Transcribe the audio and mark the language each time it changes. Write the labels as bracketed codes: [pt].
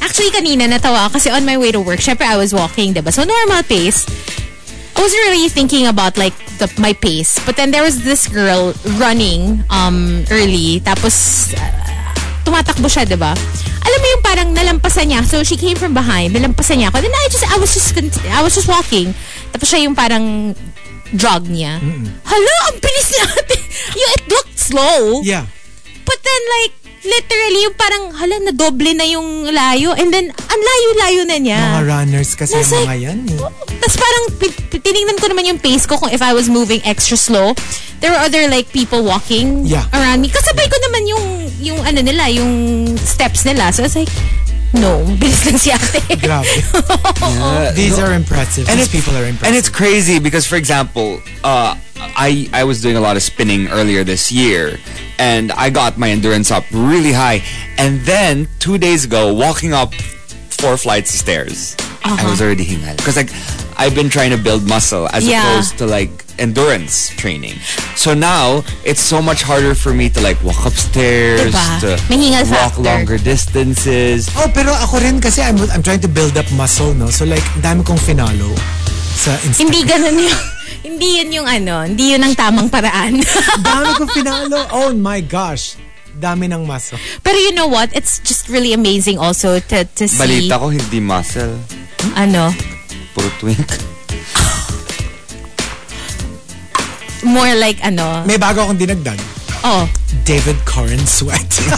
[en] Actually, [tl] kanina natawa kasi [en] on my way to work, syempre I was walking, diba? So normal pace. I wasn't really thinking about like my pace. But then there was this girl running early. [tl] Tapos tumatakbo siya, diba? Alam mo yung parang [en] parang nalampasan niya. So she came from behind, [tl] nalampasan niya ako. [en] Then I was just walking. [tl] Tapos siya yung parang drug niya. [en] Mm-mm. Hello, [tl] ang bilis niya. [en] It looked slow. Yeah. But then like, literally, [tl] yung parang, hala, na doble na yung layo. And then, ang layo-layo na niya. Mga runners kasi yung mga yan. Tapos parang, tinignan ko naman yung pace ko kung if I was moving extra slow. [en] There were other like people walking around me. [tl] Kasabay ko naman yung ano nila, yung steps nila. [en] So I was like, no, [tl] bilis lang si ate. [en] Grabe. Yeah. These are impressive. And these people are impressive. And it's crazy because, for example, I was doing a lot of spinning earlier this year and I got my endurance up really high, and then 2 days ago walking up 4 flights of stairs, I was already [tl] hingal [en] because like I've been trying to build muscle as opposed to like endurance training. So now it's so much harder for me to like walk upstairs, [tl] diba? [en] To walk longer distances. Oh, pero ako rin kasi I'm trying to build up muscle, no? So like [tl] dami kong finalo sa hindi ganun yun. Hindi yun yung ano, hindi yun ang tamang paraan. Dami ko finalo. Oh my gosh. Dami ng muscle. [en] Pero you know what? It's just really amazing also to see. [tl] Balita ko, hindi muscle. Ano? Puro twink. [en] More like ano? [tl] May bago akong dinagdag. Oh. David Corin Sweat.